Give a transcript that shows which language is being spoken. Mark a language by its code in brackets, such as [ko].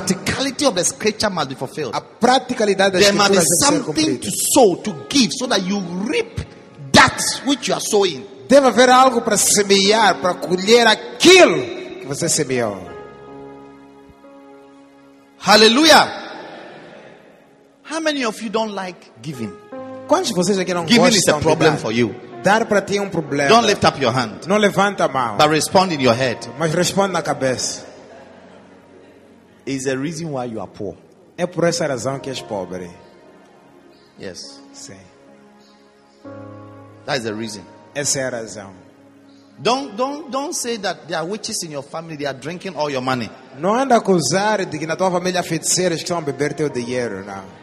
[en] The practicality of the scripture must be fulfilled. [pt] A praticalidade da escritura [en] there must be something to sow, to give, so that you reap that which you are sowing. [pt] Deve haver algo para semear, para colher aquilo que você semeou. [en] Aleluia! How many of you don't like giving? [pt] Quantos de vocês aqui não [en] giving [pt] gostam [en] is a problem [pt] dar? [en] For you. [pt] Dar para ti é problema. [en] Don't lift up your hand. [pt] Não levanta a mão. [en] But respond in your head. [pt] Mas responda na cabeça. [en] Is the reason why you are poor. [pt] É por essa razão que és pobre. [en] Yes. [pt] Sim. [en] That is the reason. [pt] Essa é a razão. [en] Don't say that there are witches in your family, they are drinking all your money. [pt] Não anda a acusar de que na tua família há feiticeiras que estão a beber teu dinheiro, não.